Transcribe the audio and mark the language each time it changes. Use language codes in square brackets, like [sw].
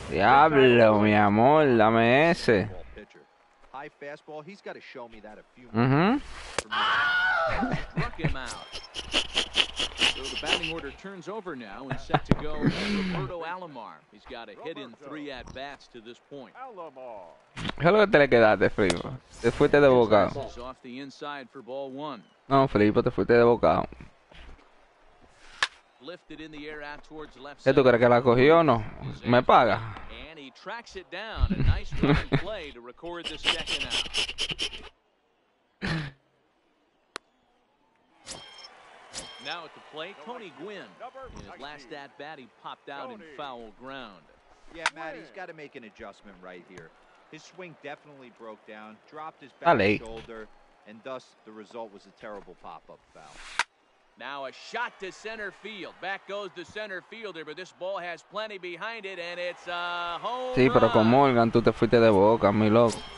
[es] Diablo, mi amor, dame ese. [en] High fastball. He's got to show me that a few. Struck him out. So the batting order turns over now and set to go Roberto Alomar. He's got a hit in three at bats to this point. Alomar. [es] ¿Qué es lo que te le quedaste, Felipe? Te fuiste de bocado. No, Felipe, te fuiste de bocado. [en] Lifted in the air out towards left [es] side. ¿Tú crees que la cogió o no? Me paga. [en] And he tracks it down. A nice running play to record the second out. Now at the plate, Tony Gwynn. In his last at bat, he popped out in foul ground. Yeah, Matt, he's got to make an adjustment right here. His swing definitely broke down, dropped his back shoulder, and thus the result was a terrible pop-up foul. Now a shot to center field. Back goes the center fielder, but this ball has plenty behind it, and it's a home run. [es] Sí, pero con Morgan, tú te fuiste de boca, mi loco.